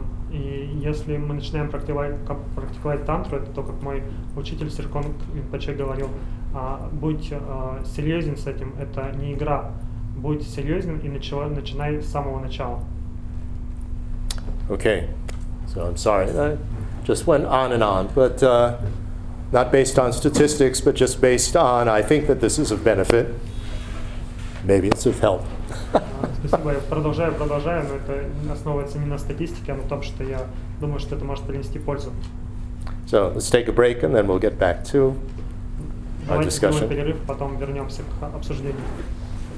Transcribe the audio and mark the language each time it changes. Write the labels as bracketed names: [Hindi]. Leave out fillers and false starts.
[Russian] И если мы начинаем практиковать Тантру, это то, как мой учитель Сирком Рипаче говорил, будь серьезен с этим, это не игра. Будь серьезен и начинай с самого начала. [English] Okay. So I'm sorry, I just went on and on, but not based on statistics, but just based on, I think that this is of benefit. Maybe it's of help. [Russian] Спасибо. Я продолжаю, но это основывается не на статистике, а на том, что я думаю, что это может принести пользу. [English] So let's take a break and then we'll get back to our discussion. [Russian] Давайте сделаем перерыв, потом вернемся к обсуждению.